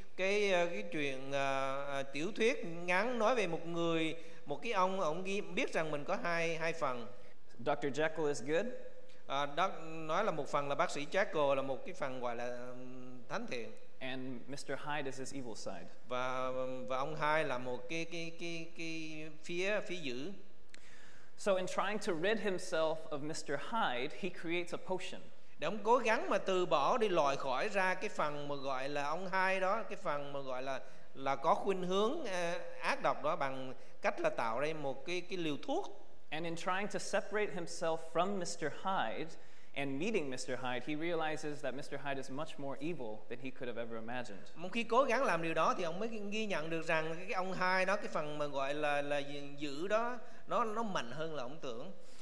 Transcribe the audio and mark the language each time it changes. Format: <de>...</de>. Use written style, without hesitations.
<vi>cái chuyện tiểu thuyết ngắn nói về một người, một cái ông ghi biết rằng mình có hai phần.</vi> <en>Dr. Jekyll is good.</en> <vi>Nói là một phần là bác sĩ Jekyll, là một cái phần gọi là thánh thiện.</vi> <en>And Mr. Hyde is his evil side.</en> <vi>Và ông Hyde là một cái phía dữ.</vi> <en>So in trying to rid himself of Mr. Hyde, he creates a potion.</en> <vi>Để ông cố gắng mà từ bỏ đi, loại khỏi ra cái phần mà gọi là ông Hyde đó, cái phần mà gọi là có khuynh hướng ác độc đó, bằng cách là tạo ra một cái liều thuốc.</vi> <en>And in trying to separate himself from Mr. Hyde and meeting Mr. Hyde, he realizes that Mr. Hyde is much more evil than he could have ever imagined.</en> <vi>Một khi cố gắng làm điều đó thì ông mới ghi nhận được rằng cái ông Hyde đó, cái phần mà gọi là dữ đó, nó mạnh hơn là ông tưởng.</vi>